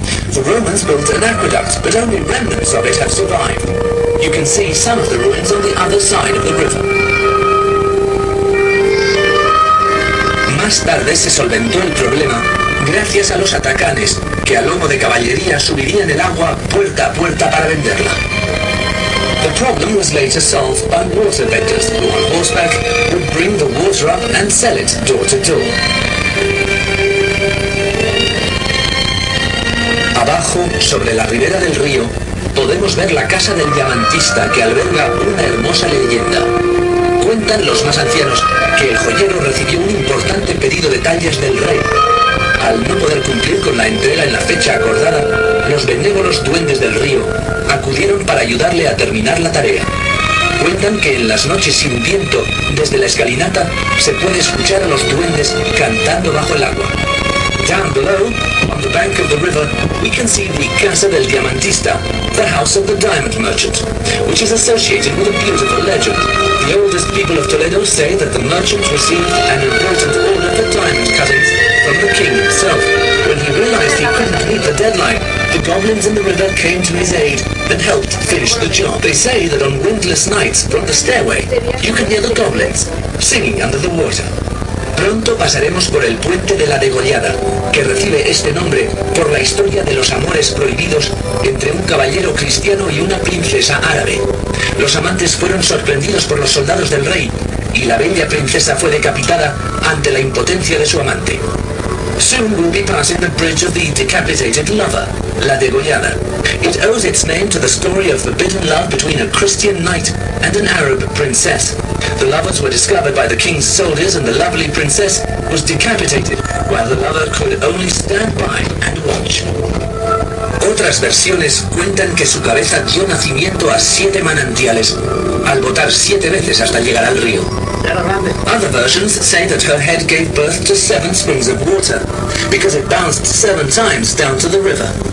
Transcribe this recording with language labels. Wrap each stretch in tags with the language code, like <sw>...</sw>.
<en>The Romans built an aqueduct, but only remnants of it have survived. You can see some of the ruins on the other side of the river.</en> <es>Más tarde se solventó el problema gracias a los atacanes, que a lomo de caballería subirían el agua puerta a puerta para venderla.</es> <en>The problem was later solved by water vendors who on horseback would bring the water up and sell it door to door.</en> <es>Abajo, sobre la ribera del río, podemos ver la casa del diamantista que alberga una hermosa leyenda. Cuentan los más ancianos que el joyero recibió un importante pedido de tallas del rey. Al no poder cumplir con la entrega en la fecha acordada, los benévolos duendes del río acudieron para ayudarle a terminar la tarea. Cuentan que en las noches sin viento, desde la escalinata, se puede escuchar a los duendes cantando bajo el agua.</es> <en>Down below, on the bank of the river, we can see the Casa del Diamantista, the house of the diamond merchant, which is associated with a beautiful legend. The oldest people of Toledo say that the merchant received an important order for diamond cuttings from the king himself. When he realized he couldn't meet the deadline, the goblins in the river came to his aid and helped finish the job. They say that on windless nights from the stairway, you can hear the goblins singing under the water.</en> <es>Pronto pasaremos por el Puente de la Degollada, que recibe este nombre por la historia de los amores prohibidos entre un caballero cristiano y una princesa árabe. Los amantes fueron sorprendidos por los soldados del rey, y la bella princesa fue decapitada ante la impotencia de su amante.</es> <en>Soon we'll be passing the bridge of the decapitated lover, La Degollada. It owes its name to the story of forbidden love between a Christian knight and an Arab princess. The lovers were discovered by the king's soldiers and the lovely princess was decapitated, while the lover could only stand by and watch.</en> <es>Otras versiones cuentan que su cabeza dio nacimiento a 7 manantiales, al botar 7 veces hasta llegar al río.</es> <en>Other versions say that her head gave birth to 7 springs of water, because it bounced 7 times down to the river.</en>